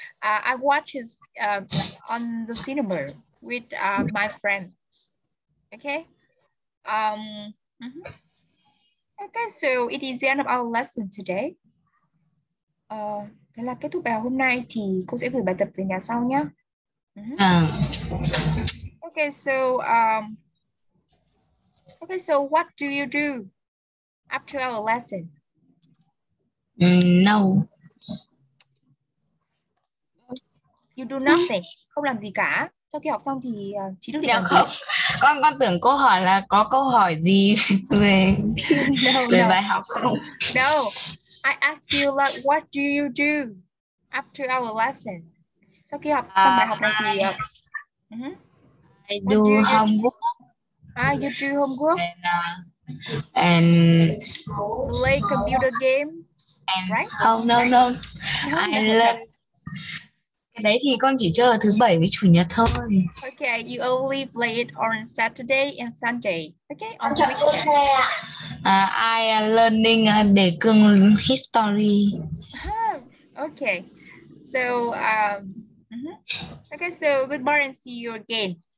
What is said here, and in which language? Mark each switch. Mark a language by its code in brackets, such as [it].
[en] I watch it on the cinema with my friends. Okay. Mm-hmm. Okay, so it is the end of our lesson today. [vi] Thế là kết thúc bài hôm nay thì cô sẽ gửi bài tập về nhà sau nhé. Mm-hmm. [en] Okay, so okay, so what do you do after our lesson? No. You do nothing. [vi] Không làm gì cả. Sau khi học xong thì chỉ được đi làm không. Con tưởng cô hỏi là có câu hỏi gì về bài học không? [en] No. I ask you like what do you do after our lesson? [vi] Sau khi học xong bài học này thì [en] I do homework. Ah, you do homework And play computer games, and, right? No. I learn. [vi] Cái đấy thì con chỉ chơi thứ bảy với chủ nhật thôi. [en] Okay, you only play it on Saturday and Sunday. Okay, on the weekend. Okay. I am learning [vi] đề cương [en] history. Okay, so okay, so goodbye and see you again.